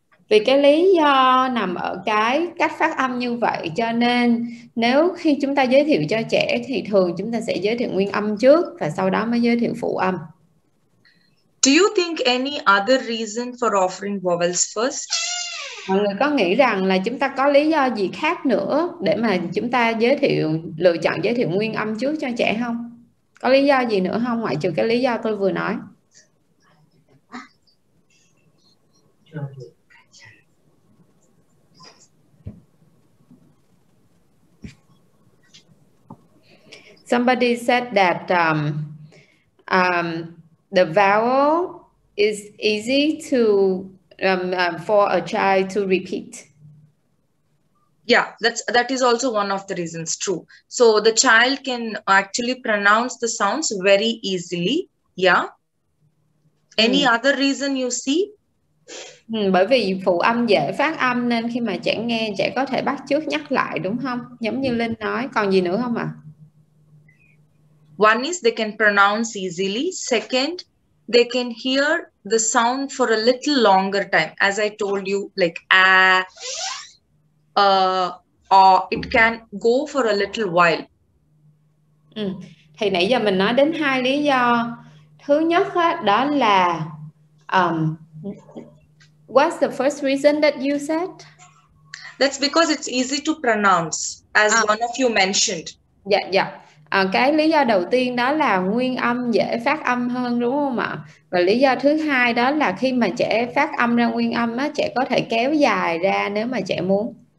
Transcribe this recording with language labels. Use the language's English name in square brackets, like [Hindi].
[Vietnamese] Vì cái lý do nằm ở cái cách phát âm như vậy, cho nên nếu khi chúng ta giới thiệu cho trẻ thì thường chúng ta sẽ giới thiệu nguyên âm trước và sau đó mới giới thiệu phụ âm. [English] Do you think any other reason for offering vowels first? [Vietnamese] Mọi người có nghĩ rằng là chúng ta có lý do gì khác nữa để mà chúng ta lựa chọn giới thiệu nguyên âm trước cho trẻ không? Có lý do gì nữa không, ngoại trừ cái lý do tôi vừa nói? [English] Somebody said that the vowel is easy to for a child to repeat. Yeah, that is also one of the reasons, true. So the child can actually pronounce the sounds very easily. Yeah. Any other reason you see? [Vietnamese] Bởi vì phụ âm dễ phát âm nên khi mà trẻ nghe trẻ có thể bắt chước nhắc lại, đúng không? Giống như Linh nói. Còn gì nữa không ạ? À? [English] One is they can pronounce easily. Second, they can hear the sound for a little longer time. As I told you, like ah, it can go for a little while. [Vietnamese] Ừ. Thì nãy giờ mình nói đến hai lý do. Thứ nhất đó là [English] what's the first reason that you said? That's because it's easy to pronounce, as one of you mentioned. [Vietnamese] Cái lý do đầu tiên đó là nguyên âm dễ phát âm hơn, đúng không ạ? Và lý do thứ hai đó là khi mà trẻ phát âm ra nguyên âm á, trẻ có thể kéo dài ra nếu mà trẻ muốn.